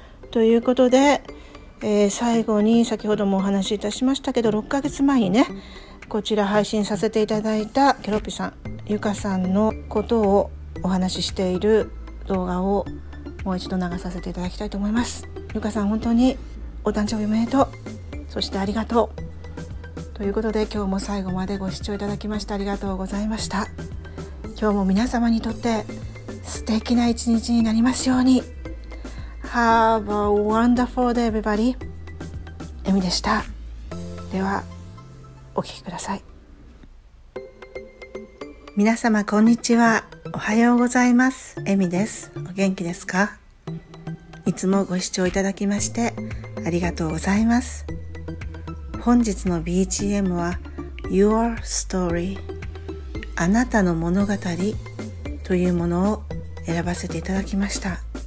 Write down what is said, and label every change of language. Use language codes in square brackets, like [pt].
[ja] ということで、最後に先ほどもお話しいたしましたけど、6ヶ月前にね、こちら配信させていただいたケロピさん、ゆかさんのことをお話ししている動画をもう一度流させていただきたいと思います。ゆかさん、本当にお誕生日おめでとう、そしてありがとう。ということで、今日も最後までご視聴いただきましてありがとうございました。今日も皆様にとって素敵な一日になりますように。 [en] Have a wonderful day everybody。 [ja] エミでした。ではお聞きください。皆様こんにちは、おはようございます、エミです。お元気ですか？いつもご視聴いただきましてありがとうございます。本日の BGM は Your Story、 あなたの物語というものを選ばせていただきました。